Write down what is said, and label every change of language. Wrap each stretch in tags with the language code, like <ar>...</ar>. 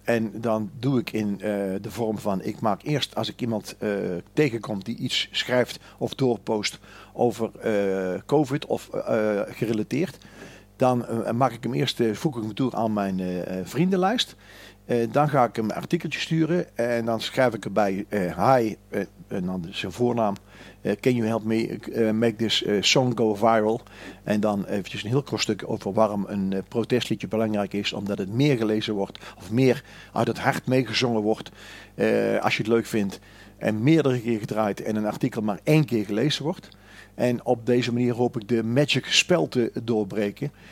<nl>En dan doe ik in de vorm van, ik maak eerst als ik iemand tegenkom die iets schrijft of doorpost over COVID of gerelateerd, dan maak ik hem eerst, voeg ik hem toe aan mijn vriendenlijst. Dan ga ik hem een artikeltje sturen en dan schrijf ik erbij hi, en dan zijn voornaam.</nl> <en>Can you help me make this song go viral?</en> <nl>En dan eventjes een heel kort stuk over waarom een protestliedje belangrijk is. Omdat het meer gelezen wordt of meer uit het hart meegezongen wordt. Als je het leuk vindt en meerdere keer gedraaid en een artikel maar 1 keer gelezen wordt. En op deze manier hoop ik de magic spel te doorbreken.</nl>